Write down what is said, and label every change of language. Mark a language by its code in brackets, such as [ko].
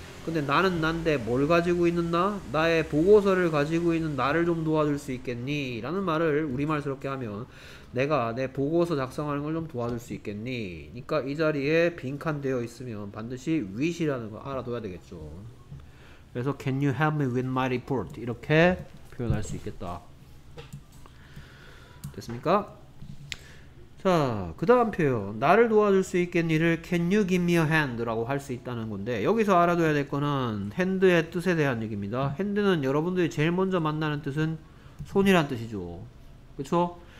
[ko] 근데 나는 난데 뭘 가지고 있는 나? 나의 보고서를 가지고 있는 나를 좀 도와줄 수 있겠니? 라는 말을 우리말스럽게 하면 내가 내 보고서 작성하는 걸 좀 도와줄 수 있겠니? 그러니까 이 자리에 빈칸 되어 있으면 반드시 with이라는 걸 알아둬야 되겠죠. 그래서 [en] Can you help me with my report? [ko] 이렇게 표현할 수 있겠다. 됐습니까? 자, 그 다음 표현 나를 도와줄 수 있겠니를 [en] Can you give me a hand? [ko] 라고 할 수 있다는 건데 여기서 알아둬야 될 거는 hand의 뜻에 대한 얘기입니다. hand는 여러분들이 제일 먼저 만나는 뜻은 손이란 뜻이죠. 그쵸?